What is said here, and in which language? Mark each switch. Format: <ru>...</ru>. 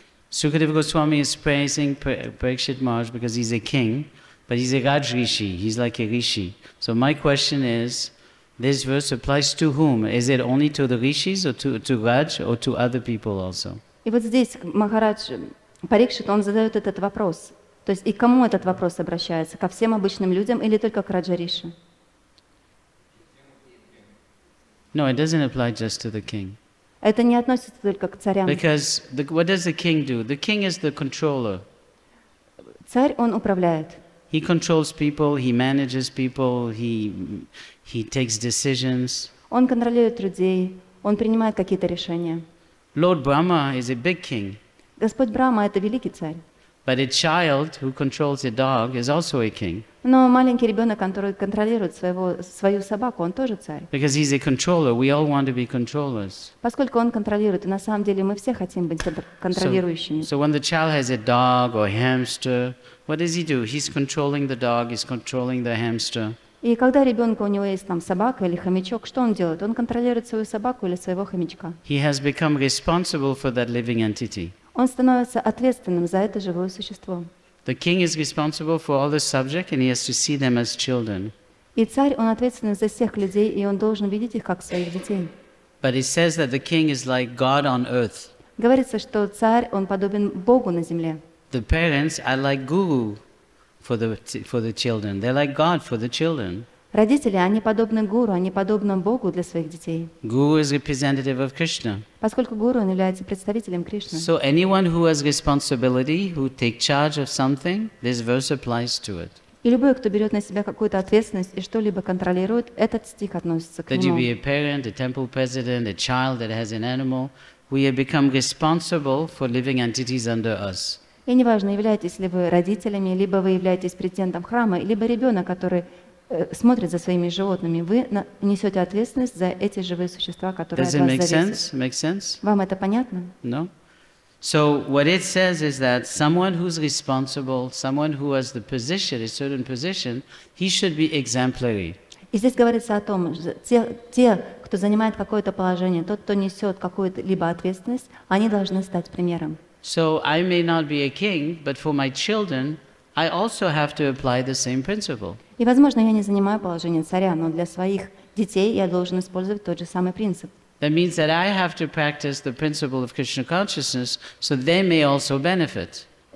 <en>Sukadeva Goswami is praising Parikshit Maharaj because he's a king, but he's a Rajrishi. He's like a Rishi. So my question is, this verse applies to whom? Is it only to the Rishis or to Raj or to other people also?</en> <ru>И вот здесь Махарадж Парикшит, он задает этот вопрос. То есть и к кому этот вопрос обращается? Ко всем обычным людям или только к Раджариши?</ru> <en>No, it doesn't apply just to the king.</en> <ru>Это не относится только к царям.</ru> <en>Because what does the king do? The king is the controller.</en> <ru>Царь, он управляет.</ru> <en>He controls people, he manages people, he takes decisions.</en> <ru>Он контролирует людей, он принимает какие-то решения.</ru> <en>Lord Brahma is a big king.</en> <ru>Господь Брама – это великий царь.</ru> <en>But a child who controls a dog is also a king.</en> <ru>Но маленький ребенок, который контролирует свою собаку, он тоже царь.</ru> <en>Because he's a controller, we all want to be controllers.</en> <ru>Поскольку он контролирует, и на самом деле мы все хотим быть контролирующими.</ru> <en>So when the child has a dog or a hamster, what does he do? He's controlling the dog, he's controlling the hamster.</en> <ru>И когда ребенка у него есть там собака или хомячок, что он делает? Он контролирует свою собаку или своего хомячка.</ru> <en>He has become responsible for that living entity.</en> <ru>Он становится ответственным за это живое существо.</ru> <en>The king is responsible for all the subjects, and he has to see them as children.</en> <ru>И царь, он ответственен за всех людей, и он должен видеть их как своих детей.</ru> <en>But it says that the king is like God on earth.</en> <ru>Говорится, что царь, он подобен Богу на земле.</ru> <en>The parents are like guru for the children. They're like God for the children.</en> <ru>Родители, они подобны гуру, они подобны Богу для своих детей.</ru> <en>Guru is representative of Krishna.</en> <ru>Поскольку гуру, он является представителем Кришны.</ru> <en>So anyone who has responsibility, who take charge of something, this verse applies to it.</en> <ru>И любой, кто берет на себя какую-то ответственность и что-либо контролирует, этот стих относится к нему.</ru> <en>Could you be a parent, a temple president, a child that has an animal? We have become responsible for living entities under us.</en> <ru>И неважно, являетесь ли вы родителями, либо вы являетесь президентом храма, либо ребенок, который смотрит за своими животными, вы несете ответственность за эти живые существа, которые от вас зависят.</ru> <en>Does it make sense?</en> <ru>Вам это понятно?</ru> <en>No. So what it says is that someone who's responsible, someone who has the position, a certain position, he should be exemplary.</en> <ru>И здесь говорится о том, что те, кто занимает какое-то положение, тот, кто несет какую-либо ответственность, они должны стать примером.</ru> <en>So I may not be a king, but for my children, I also have to apply the same principle.</en> <ru>И, возможно, я не занимаю положение царя, но для своих детей я должен использовать тот же самый принцип.</ru> <en>That means that I have to practice the principle of Krishna consciousness, so they may also benefit.</en>